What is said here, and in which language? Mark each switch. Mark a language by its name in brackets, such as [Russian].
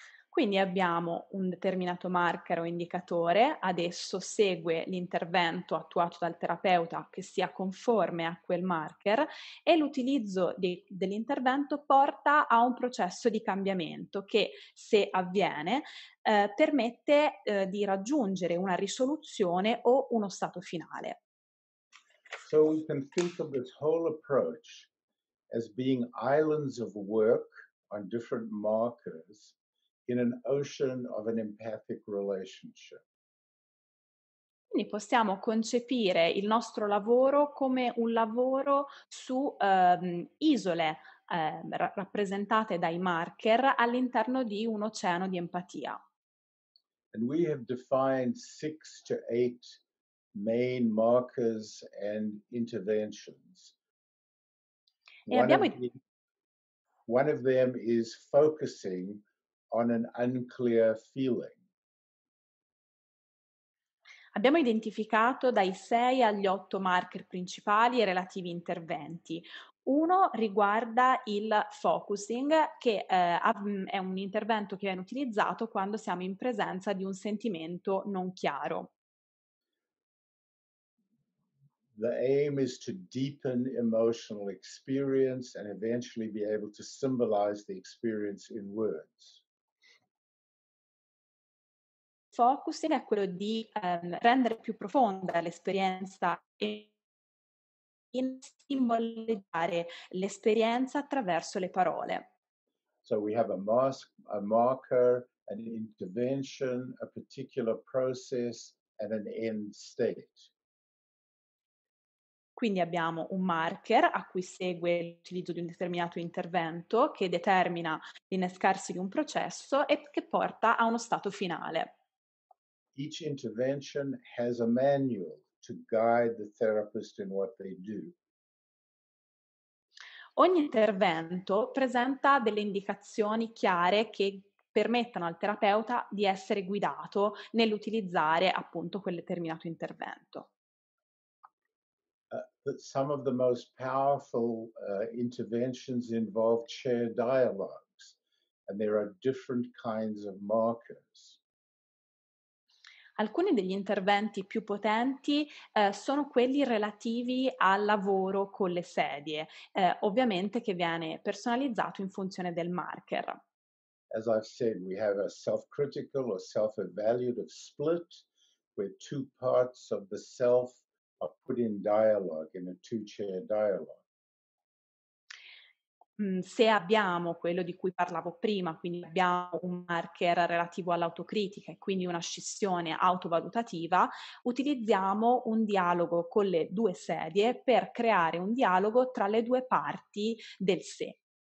[Italian] Quindi abbiamo un determinato marker o indicatore, adesso segue l'intervento attuato dal terapeuta che sia conforme a quel marker, e l'utilizzo dell'intervento porta a un processo di cambiamento che, se avviene, permette di raggiungere una risoluzione o uno stato finale. [English] So we can think of this whole approach as being islands of work on different markers in an ocean of an empathic relationship. [Italian] Quindi possiamo concepire il nostro lavoro come un lavoro su isole rappresentate dai marker all'interno di un oceano di empatia. [English] And we have defined 6 to 8 main markers and interventions. One of them is focusing on an unclear feeling. [Italian] Abbiamo identificato dai 6 agli 8 marker principali e relativi interventi. Uno riguarda il focusing, che è un intervento che viene utilizzato quando siamo in presenza di un sentimento non chiaro. [English] The aim is to deepen emotional experience and eventually be able to symbolize the experience in words. [Italian] Focusing è quello di rendere più profonda l'esperienza e simboleggiare l'esperienza attraverso le parole. [English] So we have a marker, an intervention, a particular process, and an end state. [Italian] Quindi abbiamo un marker a cui segue l'utilizzo di un determinato intervento che determina l'innescarsi di un processo e che porta a uno stato finale. [English] Each intervention has a manual to guide the therapist in what they do. [Italian] Ogni intervento presenta delle indicazioni chiare che permettono al terapeuta di essere guidato nell'utilizzare appunto quel determinato intervento. [English] Some of the most powerful interventions involve chair dialogues, and there are different kinds of markers. [Italian] Alcuni degli interventi più potenti sono quelli relativi al lavoro con le sedie, ovviamente che viene personalizzato in funzione del marker. [English] As I've said, we have a self-critical or self-evaluative split, where two parts of the self are put in dialogue, in a two-chair dialogue. [Italian] Se abbiamo quello di cui parlavo prima, quindi abbiamo un marker relativo all'autocritica e quindi una scissione autovalutativa, utilizziamo un dialogo con le due sedie per creare un dialogo tra le due parti del sé.